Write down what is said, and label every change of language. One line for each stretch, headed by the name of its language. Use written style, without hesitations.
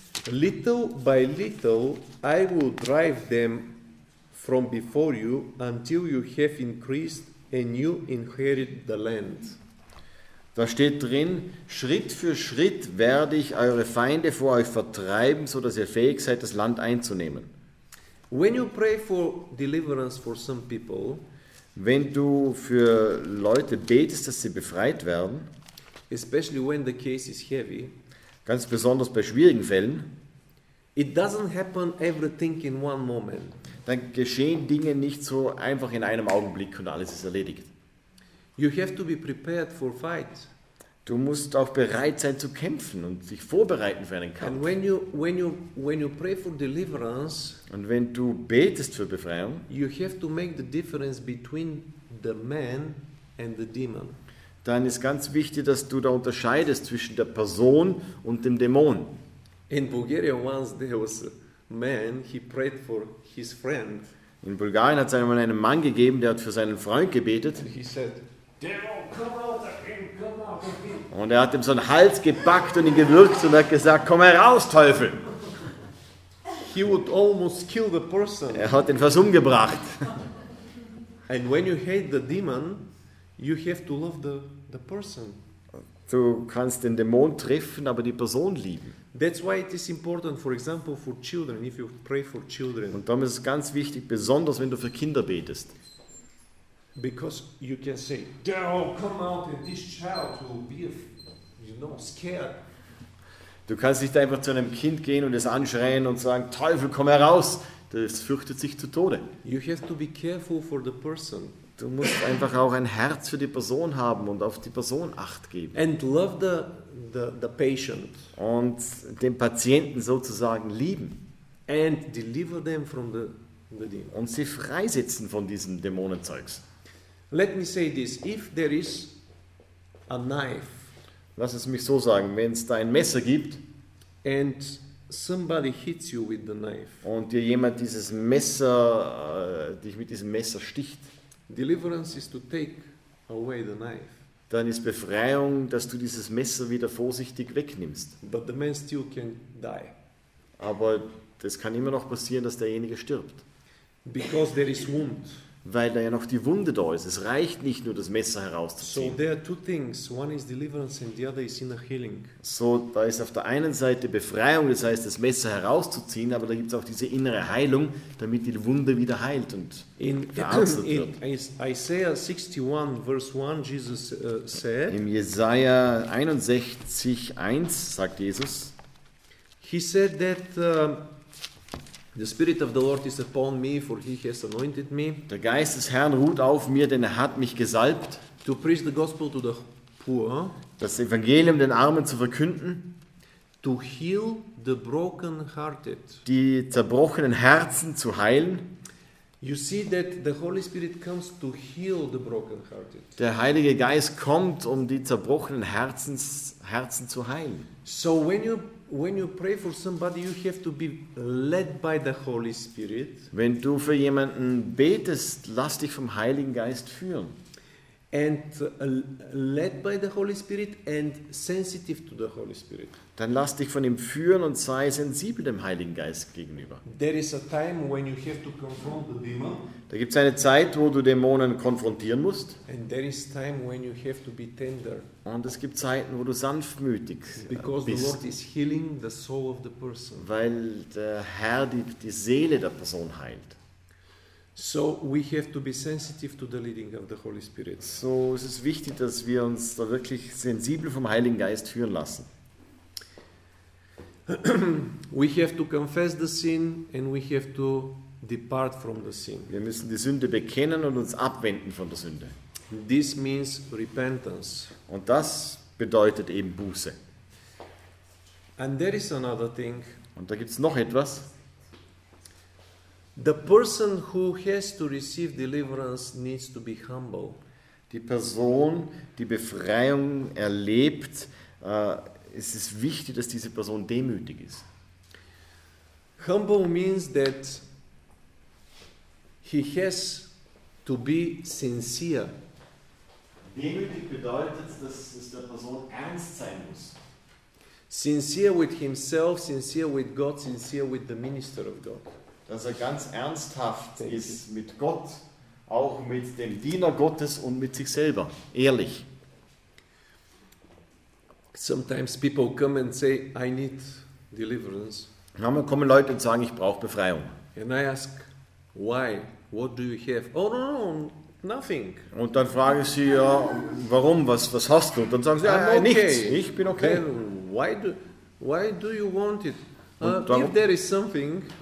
English: Little by little I will drive them from before you until you have increased and you inherit the land.
German: Da steht drin, Schritt für Schritt werde ich eure Feinde vor euch vertreiben, so dass ihr fähig seid, das Land einzunehmen.
English: When you pray for deliverance for some people,
German: wenn du für Leute betest, dass sie befreit werden,
English: especially when the case is heavy,
German: ganz besonders bei schwierigen Fällen,
English: it doesn't happen everything in one moment.
German: Dann geschehen Dinge nicht so einfach in einem Augenblick und alles ist erledigt.
English: You have to be prepared for fight.
German: Du musst auch bereit sein zu kämpfen und dich vorbereiten für einen Kampf.
English: And when you pray for deliverance,
German: und wenn du betest für Befreiung,
English: you have to make the difference between the man and the demon.
German: Dann ist ganz wichtig, dass du da unterscheidest zwischen der Person und dem Dämon.
English: In Bulgaria once there was a man, he prayed for his friend.
German: In Bulgarien hat es einmal einen Mann gegeben, der hat für seinen Freund gebetet.
English: And he said, "Devil, come out of him, come out of him."
German: Und er hat ihm so einen Hals gepackt und ihn gewürgt und hat gesagt, komm heraus, Teufel.
English: He would almost kill the person.
German: Er hat ihn fast umgebracht.
English: And when you hate the demon, you have to love the person.
German: Du kannst den Dämon treffen, aber die Person lieben.
English: That's why it is important, for example, for children, if you pray for children.
German: Und darum ist es ganz wichtig, besonders wenn du für Kinder betest.
English: Because you can say, "Devil, come out," and this child will be, you know, scared.
German: Du kannst nicht einfach zu einem Kind gehen und es anschreien und sagen, Teufel, komm heraus. Das fürchtet sich zu Tode.
English: You have to be careful for the person.
German: Du musst einfach auch ein Herz für die Person haben und auf die Person Acht geben.
English: And love the patient.
German: Und den Patienten sozusagen lieben.
English: And deliver them from the demon.
German: Und sie freisetzen von diesem Dämonenzeugs.
English: Let me say this, if there is a knife.
German: Lass es mich so sagen, wenn es da ein Messer gibt
English: and somebody hits you with the knife,
German: und dir jemand dieses Messer, dich mit diesem Messer sticht,
English: deliverance is to take away the knife.
German: Dann ist Befreiung, dass du dieses Messer wieder vorsichtig wegnimmst.
English: But the man still can die.
German: Aber das kann immer noch passieren, dass derjenige stirbt.
English: Because there is wound.
German: Weil da ja noch die Wunde da ist. Es reicht nicht nur, das Messer herauszuziehen.
English: So, there are two things. One is deliverance and the other is inner healing.
German: So, da ist auf der einen Seite Befreiung, das heißt, das Messer herauszuziehen, aber da gibt es auch diese innere Heilung, damit die Wunde wieder heilt und verarztet wird.
English: In Isaiah 61, verse 1, Jesus said,
German: im Jesaja 61, 1, sagt Jesus,
English: he said that, "The Spirit of the Lord is upon me, for he has anointed me."
German: Der Geist des Herrn ruht auf mir, denn er hat mich gesalbt.
English: "To preach the gospel to the poor."
German: Das Evangelium den Armen zu verkünden.
English: "To heal the brokenhearted."
German: Die zerbrochenen Herzen zu heilen.
English: You see that the Holy Spirit comes to heal the brokenhearted.
German: Der Heilige Geist kommt, um die zerbrochenen Herzen zu heilen.
English: So when you pray for somebody, you have to be led by the Holy Spirit.
German: Wenn du für jemanden betest, lass dich vom Heiligen Geist führen.
English: And led by the Holy Spirit and sensitive to the Holy Spirit.
German: Dann lass dich von ihm führen und sei sensibel dem Heiligen Geist gegenüber.
English: There is a time when you have to confront the demon.
German: Da gibt es eine Zeit, wo du Dämonen konfrontieren musst.
English: And there is time when you have to be tender.
German: Und es gibt Zeiten, wo du sanftmütig
English: Because
German: bist.
English: The Lord is healing the soul of the person.
German: Weil der Herr die Seele der Person heilt.
English: So we have to be sensitive to the leading of the Holy Spirit.
German: So es ist wichtig, dass wir uns da wirklich sensibel vom Heiligen Geist führen lassen.
English: We have to confess the sin and we have to depart from the sin.
German: Wir müssen die Sünde bekennen und uns abwenden von der Sünde.
English: This means repentance.
German: Und das bedeutet eben Buße.
English: And there is another thing.
German: Und da gibt's noch etwas.
English: The person who has to receive deliverance needs to be humble.
German: Die Person, die Befreiung erlebt, es ist wichtig, dass diese Person demütig ist.
English: Humble means that he has to be sincere.
German: Demütig bedeutet, dass es der Person ernst sein muss.
English: Sincere with himself, sincere with God, sincere with the minister of God.
German: Dass er ganz ernsthaft ist mit Gott, auch mit dem Diener Gottes und mit sich selber. Ehrlich.
English: Sometimes people come and say, "I need deliverance."
German: Manchmal kommen Leute und sagen, ich brauche Befreiung.
English: And I ask, "Why? What do you have?" "Oh, no, no, nothing."
German: Und dann frage ich sie, ja, warum, was hast du? Und dann sagen sie, ja, okay. Nichts, ich bin okay.
English: Why do you want it? If there is something...